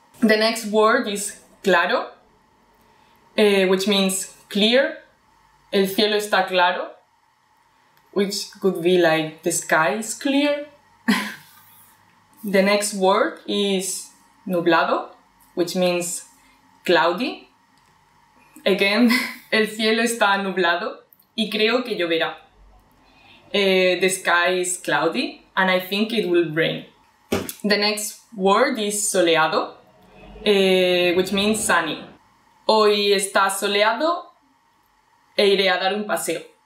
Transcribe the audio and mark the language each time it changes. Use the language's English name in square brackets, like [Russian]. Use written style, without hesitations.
[English] The next word is claro, which means clear. [Spanish] El cielo está claro, [English] which could be like the sky is clear. The next word is nublado, which means cloudy. [Spanish] Again, el cielo está nublado y creo que lloverá. [English] The sky is cloudy and I think it will rain. The next word is soleado, which means sunny. [Spanish] Hoy está soleado e iré a dar un paseo.